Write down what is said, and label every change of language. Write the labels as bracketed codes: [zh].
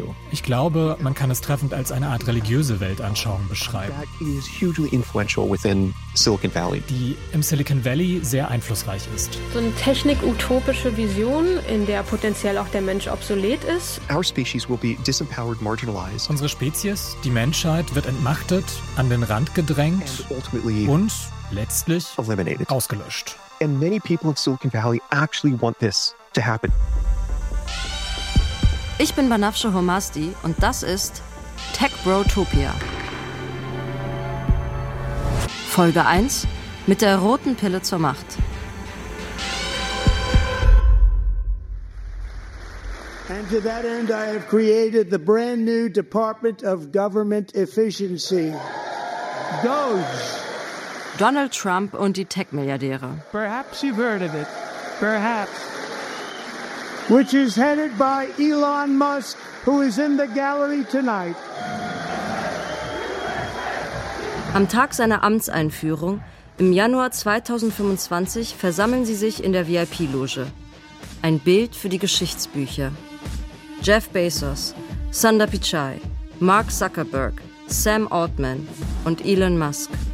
[de] Ich glaube, man kann es treffend als eine Art religiöse Weltanschauung beschreiben, die im Silicon Valley sehr einflussreich ist. So eine technik-utopische Vision, in der potenziell auch der Mensch obsolet ist. [en] Our species will be disempowered, marginalized. [de] Unsere Spezies, die Menschheit, wird entmachtet, an den Rand gedrängt und letztlich ausgelöscht. [en] And many people in Silicon Valley actually want this to happen. [de] Ich bin Banafsha Homasdi und das ist Tech Brotopia. Folge 1 mit der roten Pille zur Macht. [en] And to that end I have created the brand new Department of Government Efficiency. Doge. [de] Donald Trump und die Tech-Milliardäre. [en] Perhaps you've heard of it. Perhaps. Which is headed by Elon Musk, who is in the gallery tonight. [de] Am Tag seiner Amtseinführung, im Januar 2025, versammeln sie sich in der VIP-Loge. Ein Bild für die Geschichtsbücher. Jeff Bezos, Sundar Pichai, Mark Zuckerberg, Sam Altman und Elon Musk.